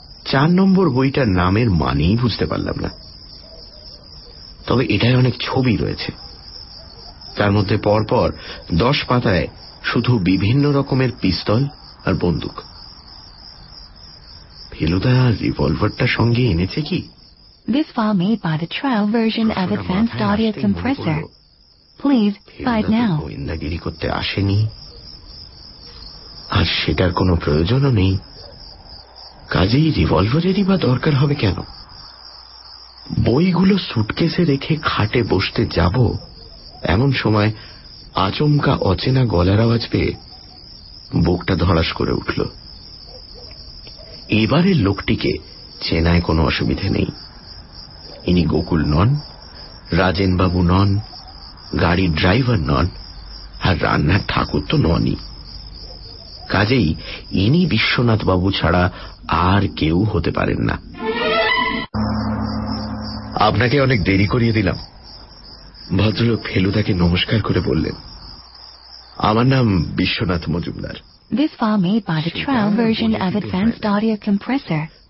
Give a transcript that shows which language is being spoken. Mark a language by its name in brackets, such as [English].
[Bangla] চার নম্বর বইটার নামের মানেই বুঝতে পারলাম না, তবে এটায় অনেক ছবি রয়েছে। তার মধ্যে পরপর 10 পাতায় শুধু বিভিন্ন রকমের পিস্তল আর বন্দুক। ফেলুদা রিভলভারটা সঙ্গে এনেছে কি? [English] This farm made by the trial version of Advanced Audio Compressor. Please buy it now. [Bangla] গোয়েন্দাগিরি করতে আসেনি, আর সেটার কোনো প্রয়োজনও নেই, কাজেই রিভলভারেরই বা দরকার হবে কেন? বইগুলো সুটকেসে রেখে খাটে বসতে যাব এমন সময় আচমকা অচেনা গলার আওয়াজ পেয়ে বুকটা ধড়াস করে উঠল। এবারে লোকটিকে চেনায় কোনো অসুবিধে নেই, ইনি গোকুল নন, রাজেনবাবু নন, গাড়ির ড্রাইভার নন, আর রান্নার ঠাকুর তো ননই। কাজেই ইনি বিশ্বনাথবাবু ছাড়া আর কেউ হতে পারেন না। আপনাকে অনেক দেরি করিয়ে দিলাম, ভদ্রলোক ফেলুদাকে নমস্কার করে বললেন, আমার নাম Biswanath Majumdar. [English] This farm made by the trial version of Advanced Audio Compressor.